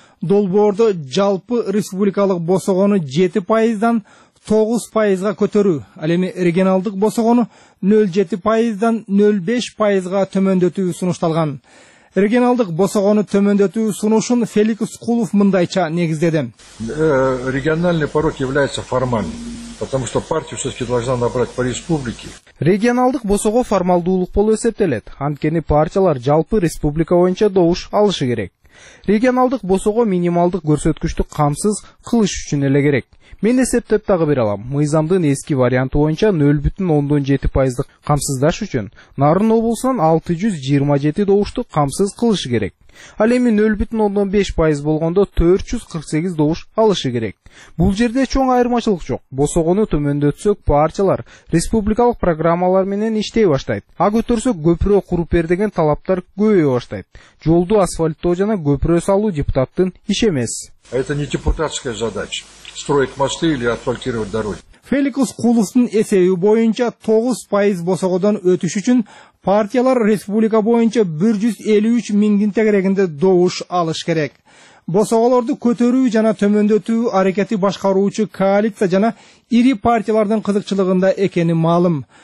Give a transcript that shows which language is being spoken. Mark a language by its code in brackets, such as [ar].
[ky] Долбоордо жалпы республикалык босогону 7%дан 9%га көтөрүү, ал эми регионалдык босогону 0.7%дан 0.5%га төмөндөтүү сунушталган. Регионалдык босогону төмөндөтүү сунушун Феликс Кулов мындайча негиздеди. [ru] Региональный порог является формальным, потому что партия все-таки должна набрать по республике. [ky] Регионалдык босого формалдуулук болуп эсептелет, анткени партиялар жалпы республика боюнча добуш алышы керек. Регионалдык босого минималдык көрсөткүчтү камсыз кылыш үчүн эле керек. Мен эсептеп дагы бере алам. Мыйзамдын эски варианты боюнча 0.7% камсыздаш үчүн Нарын облусунан 627 добушту камсыз кылышы керек. Ал эми 0.5% болгондо 448 добуш алышы керек. Бул жерде чоң айырмачылык жок. Босогону төмөндөтсөк партиялар республикалык программалар менен иштей баштайт. А көтөрсөк көпүрө куруп бер деген талаптар көбөйө баштайт. Жолду асфальттоо жана көпүрө салуу депутаттын иши эмес. [ru] Это не депутатская задача. Строить мосты или асфальтировать дороги. [ky] Феликс Кулуфтун эсеби боюнча 9% босогодон өтүш үчүн партиялар республика боюнча 153 миңдин тегерегинде добуш алыш керек. Босоголорду көтөрүү жана төмөндөтүү аракети башкаруучу коалиция жана ири партиялардын кызыкчылыгында экени маалым.